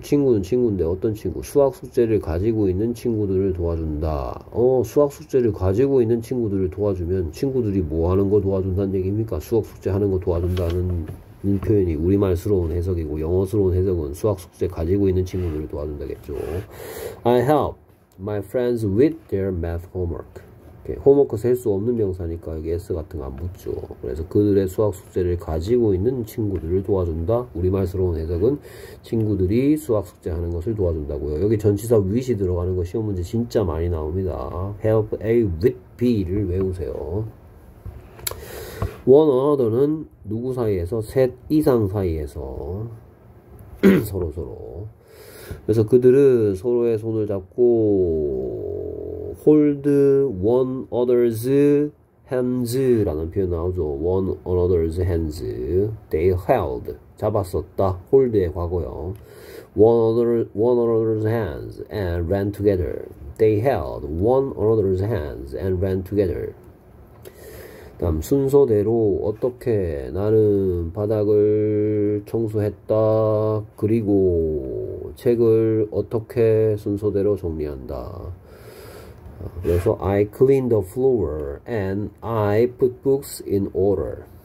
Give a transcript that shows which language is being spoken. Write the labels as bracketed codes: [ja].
[ko] 친구는 친구인데 어떤 친구? 수학 숙제를 가지고 있는 친구들을 도와준다. 수학 숙제를 가지고 있는 친구들을 도와주면 친구들이 뭐 하는 거 도와준다는 얘기입니까? 수학 숙제 하는 거 도와준다는 표현이 우리말스러운 해석이고 영어스러운 해석은 수학 숙제 가지고 있는 친구들을 도와준다겠죠. [en] I help my friends with their math homework. [ko] 이렇게 홈워크 셀 수 없는 명사니까 여기 S 같은 거 안 붙죠. 그래서 그들의 수학 숙제를 가지고 있는 친구들을 도와준다. 우리말스러운 해석은 친구들이 수학 숙제 하는 것을 도와준다고요. 여기 전치사 with이 들어가는 거 시험 문제 진짜 많이 나옵니다. [en] Help A with B를 [ko] 외우세요. [en] One another는 [ko] 누구 사이에서? 셋 이상 사이에서 서로서로 서로. 그래서 그들은 서로의 손을 잡고 [en] hold one other's hands [ko] 라는 표현 나오죠. [en] One another's hands. They held. [ko] 잡았었다. [en] hold의 [ko] 과거요. [en] One another's hands and ran together. They held one another's hands and ran together. [ko] 다음 순서대로 어떻게 나는 바닥을 청소했다. 그리고 책을 어떻게 순서대로 정리한다. [en] 그래서 I clean the floor and I put books in order.